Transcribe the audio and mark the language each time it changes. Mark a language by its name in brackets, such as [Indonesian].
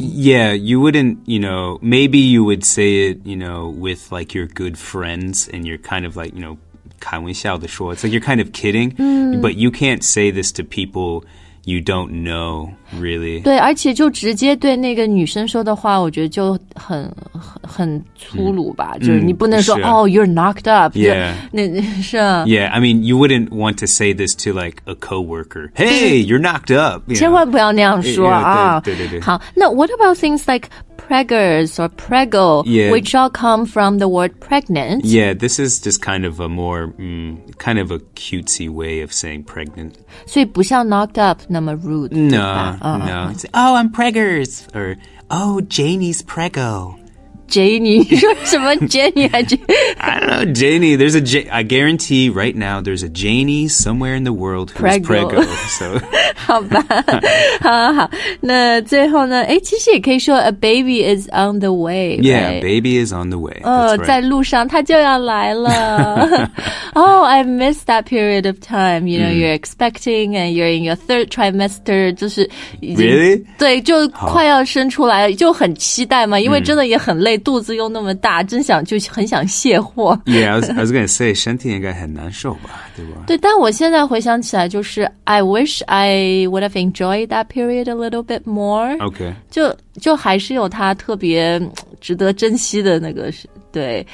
[English] Yeah, you wouldn't, you know, maybe you would say it, you know, with like your good friends and you're kind of like, you know, [Chinese] 开玩笑的说, [English] it's like you're kind of kidding, but you can't say this to people... You don't know, really. [Chinese] 对，而且就直接对那个女生说的话，我觉得就很粗鲁吧。就是你不能说 ， [English] Oh, you're knocked up. Yeah. [Chinese] 那是。 [English] Yeah, I mean, you wouldn't want to say this to like a coworker. Hey, you're knocked up. [Chinese] 千万不要那样说啊！对对对。好，那 [English] what about things like? preggers or preggle, yeah. which all come from the word pregnant. Yeah, this is just kind of a more, kind of a cutesy way of saying pregnant. [Chinese] 所以不像 knocked up 那么 rude. [English] No, no. Oh, I'm preggers. Or, oh, Janie's preggo. [Chinese] Janie, 什么 Janie 还 [English] Janie? I don't know, Janie. There's a I guarantee right now there's a Janie somewhere in the world who's Preggo. Preggo, so. [Chinese] 好吧，好，那最后呢？哎，其实也可以说 [English] a baby is on the way. Yeah,、 right? baby is on the way. [Chinese] 在路上，他就要来了。 [English] Oh, I missed that period of time. You know,、mm. you're expecting and you're in your third trimester. [Chinese] 就是 [English] Really? [Chinese] 对，就快要生出来了、oh. 就很期待嘛，因为真的也很累。肚子又那么大，真想就很想卸货。 [English] Yeah, I was going to say, [Chinese] 身体应该很难受吧，对吧？对，但我现在回想起来就是 [English] I wish I would have enjoyed that period a little bit more. Okay. [Chinese] 就还是有它特别值得珍惜的那个，对。